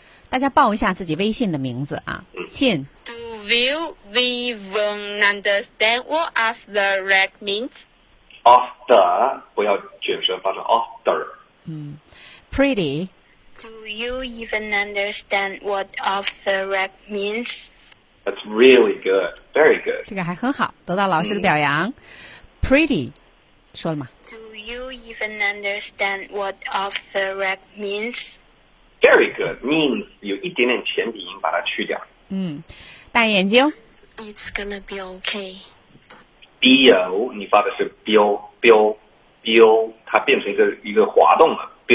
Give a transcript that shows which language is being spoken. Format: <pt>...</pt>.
<zh>大家报一下自己微信的名字啊。信。</zh> <en>Do you even understand what of the rat means?</en> <zh>Of the 不要卷舌发成 of the。</zh> <en>Pretty. Do you even understand what off the rack means? That's really good. Very good.</en> <zh>这个还很好，得到老师的表扬。 Pretty. 说了吗？</zh> <en>Do you even understand what off the rack means? Very good.</en> <zh>Means 有一点点前鼻音，把它去掉。大眼睛。</zh> <en>It's gonna be okay.</en> <zh>Bio, 你发的是 bio, 它变成一个滑动了。</zh>